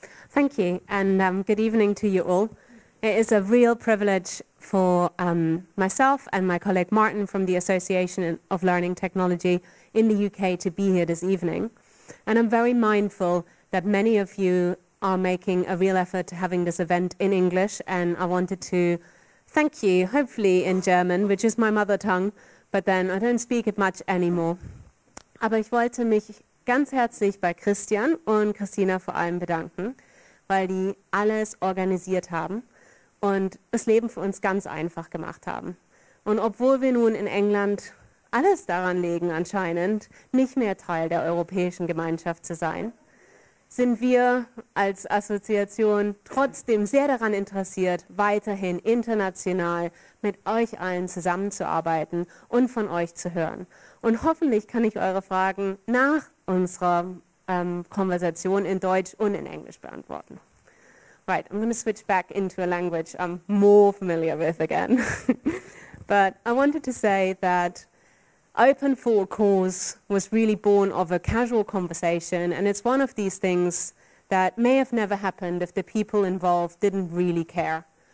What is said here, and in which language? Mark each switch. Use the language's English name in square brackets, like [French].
[English] Thank you, and good evening to you all. It is a real privilege for myself and my colleague Martin from the Association of Learning Technology in the UK to be here this evening. And I'm very mindful that many of you are making a real effort to having this event in English, and I wanted to thank you, hopefully in German, which is my mother tongue, but then I don't speak it much anymore. [German] Aber ich wollte mich ganz herzlich bei Christian und Christina vor allem bedanken, weil die alles organisiert haben und das Leben für uns ganz einfach gemacht haben. Und obwohl wir nun in England alles daran legen anscheinend, nicht mehr Teil der europäischen Gemeinschaft zu sein, sind wir als Assoziation trotzdem sehr daran interessiert, weiterhin international mit euch allen zusammenzuarbeiten und von euch zu hören. Und hoffentlich kann ich eure Fragen nach unserer Konversation in Deutsch und in Englisch beantworten. [English] Right, I'm going to switch back into a language I'm more familiar with again. But I wanted to say that Open for a Cause was really born of a casual conversation, and it's one of these things that may have never happened if the people involved didn't really care.